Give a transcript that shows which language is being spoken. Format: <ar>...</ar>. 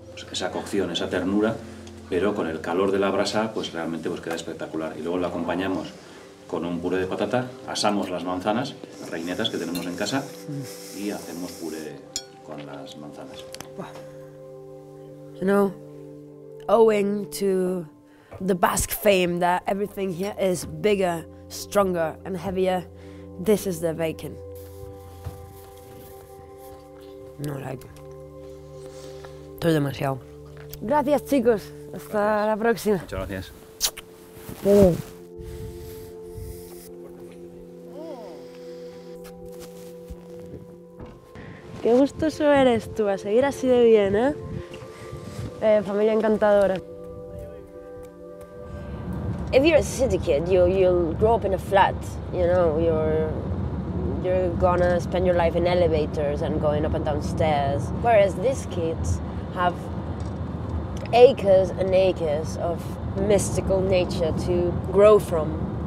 <es>Esa cocción, esa ternura, pero con el calor de la brasa, pues realmente pues queda espectacular. Y luego lo acompañamos con un puré de patata, asamos las manzanas, las reinetas que tenemos en casa, y hacemos puré con las manzanas.</es> <en>No, owing to the Basque fame that everything here is bigger, stronger, and heavier, this is the bacon.</en> <es>No, like, estoy demasiado. Gracias, chicos. Hasta gracias. La próxima. Muchas gracias. Qué gustoso eres tú, a seguir así de bien, ¿eh? Familia encantadora.</es> <en>If you're a city kid, you'll grow up in a flat, you know, you're gonna spend your life in elevators and going up and down stairs. Whereas these kids have acres and acres of mystical nature to grow from.</en>